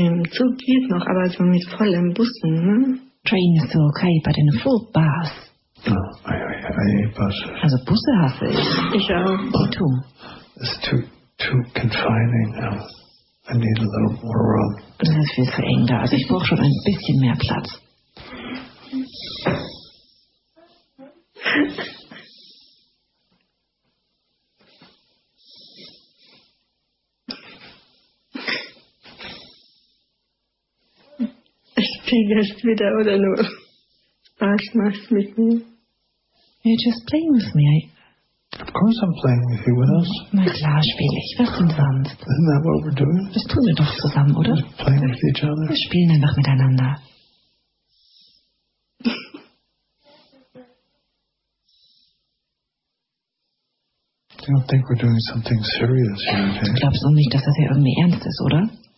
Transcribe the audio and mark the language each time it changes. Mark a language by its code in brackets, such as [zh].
[de] Zug geht noch, aber so mit vollen Bussen, ne? [en] Train is so okay, but in a full bus. Oh, I hate buses. [de] Also Busse hasse ich. Ich auch. [en] Me too. It's too confining now. I need a little more room. [de] Das ist viel zu eng da. Also ich brauche schon ein bisschen mehr Platz. Spiegelst wieder oder nur Spaß machst mit mir? [en] You're just playing with me. Of course I'm playing with you. What else? [de] Na klar, spiele ich. Was denn sonst? [en] Isn't that what we're doing? [de] Das tun wir doch zusammen, oder? We're [en] playing with each other. [de] Wir spielen einfach miteinander. [en] I don't think we're doing something serious here, okay? [de] Du glaubst auch nicht, dass das hier irgendwie ernst ist, oder?